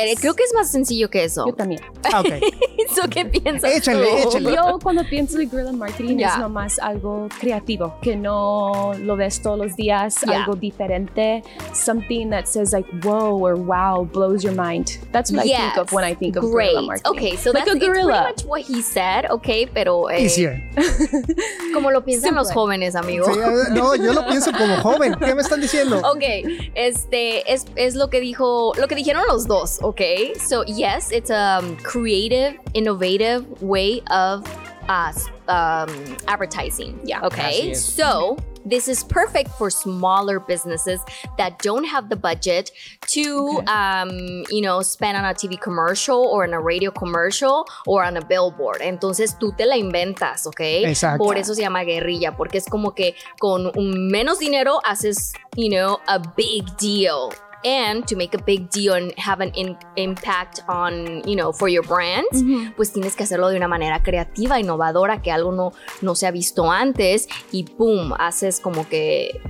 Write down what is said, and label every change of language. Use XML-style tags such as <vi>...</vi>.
<es>Pero creo que es más sencillo que eso. Yo también.</es> <en>Okay.</en> <es>¿So qué piensas? Échale. Yo cuando pienso en guerrilla marketing es nomás algo creativo, que no lo ves todos los días, algo diferente.</es> <en>Something that says like, whoa or wow, blows your mind. That's what I think of when I think of guerrilla marketing. Okay, so like that's pretty much what he said, okay,</en> <es>pero...</es> <en>Easier.</en> <es>Como lo piensan los jóvenes, amigo. Sí, no, yo lo pienso como joven. ¿Qué me están diciendo? Ok, es lo que dijeron los dos, ok.</es> <en>So, yes, it's a creative, innovative way of advertising. Yeah. Okay. So, this is perfect for smaller businesses that don't have the budget to, spend on a TV commercial or on a radio commercial or on a billboard.</en> <es>Entonces, tú te la inventas, okay? Exacto. Por eso se llama guerrilla, porque es como que con un menos dinero haces,</es> <en>a big deal. And to make a big deal and have an impact on, for your brand,</en> <es>pues tienes que hacerlo de una manera creativa, innovadora, que algo no se ha visto antes, y boom, haces como que...</es>